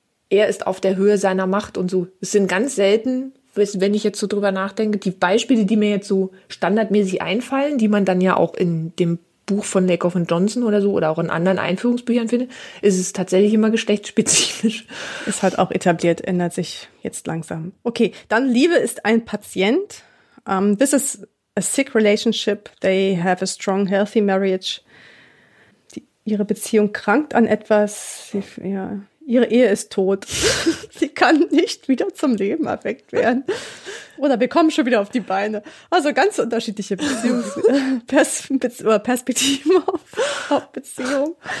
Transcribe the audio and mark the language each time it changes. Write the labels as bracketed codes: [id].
[de] Er ist auf der Höhe seiner Macht und so. Es sind ganz selten, wenn ich jetzt so drüber nachdenke, die Beispiele, die mir jetzt so standardmäßig einfallen, die man dann ja auch in dem Buch von Lakoff und Johnson oder so oder auch in anderen Einführungsbüchern finde, ist es tatsächlich immer geschlechtsspezifisch. Ist halt auch etabliert, ändert sich jetzt langsam. Okay, dann Liebe ist ein Patient. Das ist [en] a sick relationship, they have a strong, healthy marriage. [de] Ihre Beziehung krankt an etwas, ihre Ehe ist tot. Sie kann nicht wieder zum Leben erweckt werden. Oder wir kommen schon wieder auf die Beine. Also ganz unterschiedliche Perspektiven auf Beziehung.